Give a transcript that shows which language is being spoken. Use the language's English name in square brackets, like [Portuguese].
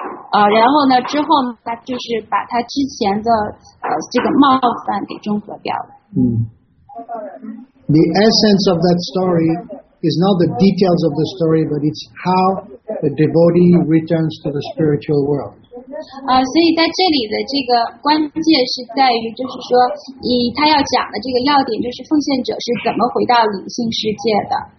[Chinese] 然后呢，之后他就是把他之前的这个冒犯给中和掉了。 [English] The essence of that story is not the details of the story, but it's how the devotee returns to the spiritual world. [Chinese] 所以在这里的这个关键是在于，就是说，他要讲的这个要点就是奉献者是怎么回到理性世界的。